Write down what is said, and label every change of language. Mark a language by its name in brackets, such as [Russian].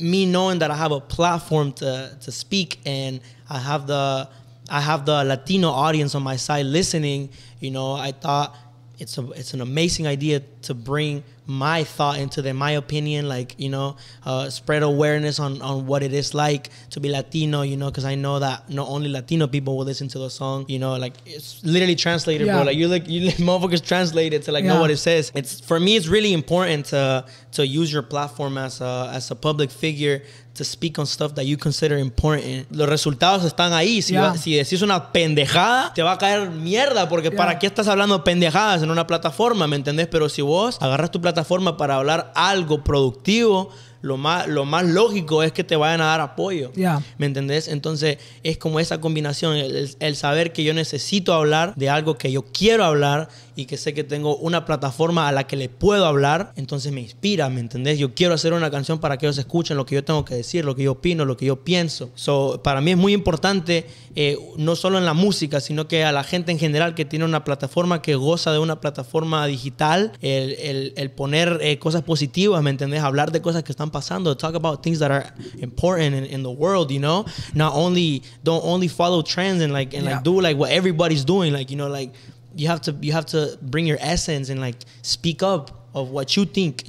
[English] Me knowing that I have a platform to speak and I have the Latino audience on my side listening, you know, I thought it's an amazing idea to bring my thought into them, my opinion, like, you know, spread awareness on what it is like to be Latino, you know, because I know that not only Latino people will listen to the song, you know, like, it's literally translated, yeah. Bro. Like, you motherfuckers translate it to, like, yeah. Know what it says. It's, for me, it's really important to use your platform as a public figure to speak on stuff that you consider important. [Spanish] Los resultados están ahí. Si, yeah. Si decís una pendejada, te va a caer mierda, porque yeah. ¿Para qué estás hablando pendejadas en una plataforma? ¿Me entendés? Pero si vos agarras tu plataforma para hablar algo productivo, lo más lógico es que te vayan a dar apoyo. Yeah. ¿Me entendés? Entonces, es como esa combinación, el saber que yo necesito hablar de algo que yo quiero hablar y que sé que tengo una plataforma a la que le puedo hablar, entonces me inspira, ¿me entendés? Yo quiero hacer una canción para que ellos escuchen lo que yo tengo que decir, lo que yo opino, lo que yo pienso. So, para mí es muy importante, no solo en la música, sino que a la gente en general que tiene una plataforma, que goza de una plataforma digital, el poner cosas positivas, ¿me entendés? Hablar de cosas que están pasando, [English] talk about things that are important in the world, you know? Don't only follow trends and do like what everybody's doing, like, you know, like, You have to bring your essence and like speak up of what you think.